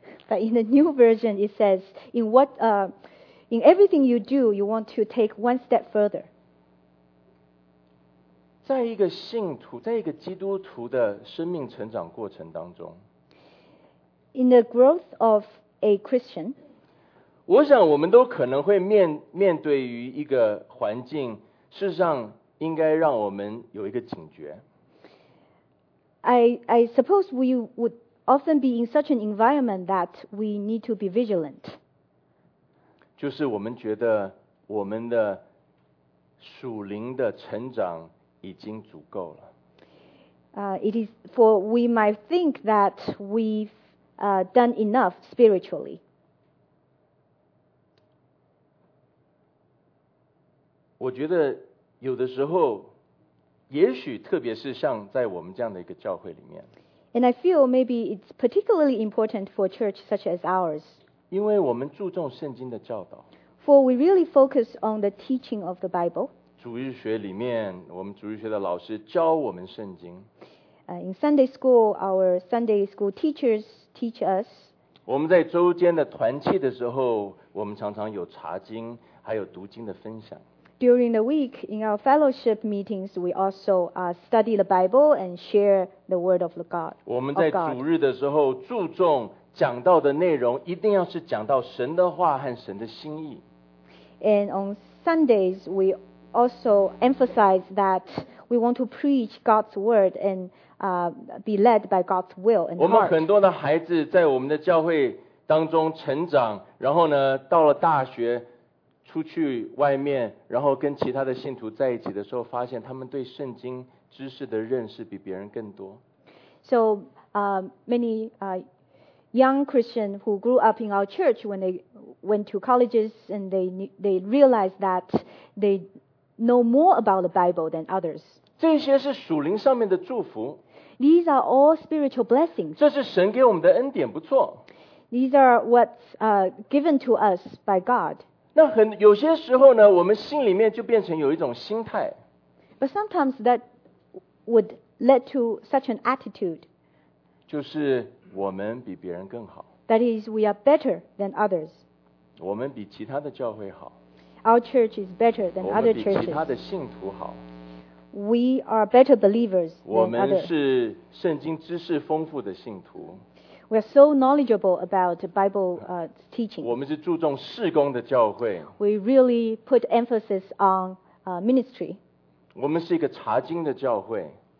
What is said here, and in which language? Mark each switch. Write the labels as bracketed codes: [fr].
[en] But in the new version, it says, in everything you do, you want to take one step further. [zh] 在一个信徒，在一个基督徒的生命成长过程当中 [en] ，In the growth of a Christian, [zh] 我想我们都可能会面对于一个环境，事实上。应该让我们有一个警觉。 [en] I suppose we would often be in such an environment that we need to be vigilant. [zh] 就是我们觉得我们的属灵的成长已经足够了。 [en] It is for we might think that we've done enough spiritually. [zh] 我觉得。有的时候，也许特别是像在我们这样的一个教会里面 [en] And I feel maybe it's particularly important for a church such as ours. [zh] 因为我们注重圣经的教导。 [en] For we really focus on the teaching of the Bible. [zh] 主日学里面，我们主日学的老师教我们圣经。 [en] In Sunday school, our Sunday school teachers teach us. [zh] 我们在周间的团契的时候，我们常常有查经，还有读经的分享。 [en] During the week, in our fellowship meetings, we also study the Bible and share the word of the God. [zh] 我们在主日的时候注重讲到的内容一定要是讲到神的话和神的心意。 [en] And on Sundays, we also emphasize that we want to preach God's word and be led by God's will and heart. [zh] 我们很多的孩子在我们的教会当中成长，然后呢，到了大学出去外面，然后跟其他的信徒在一起的时候，发现他们对圣经知识的认识比别人更多。 [en] So, many young Christians who grew up in our church when they went to colleges and they realized that they know more about the Bible than others. [zh] 这些是属灵上面的祝福。 [en] These are all spiritual blessings. [zh] 这是神给我们的恩典，不错。 [en] These are what's given to us by God. [zh] 那很有些时候呢，我们心里面就变成有一种心态。 [en] But sometimes that would lead to such an attitude. [zh] 就是我们比别人更好。 [en] That is, we are better than others. [zh] 我们比其他的教会好。 [en] Our church is better than other churches. [zh] 我们比其他的信徒好。 [en] We are better believers than others. [zh] 我们是圣经知识丰富的信徒。 [en] We are so knowledgeable about Bible teaching. [zh] 我们是注重事工的教会。 [en] We really put emphasis on ministry. [zh] 我们是一个查经的教会。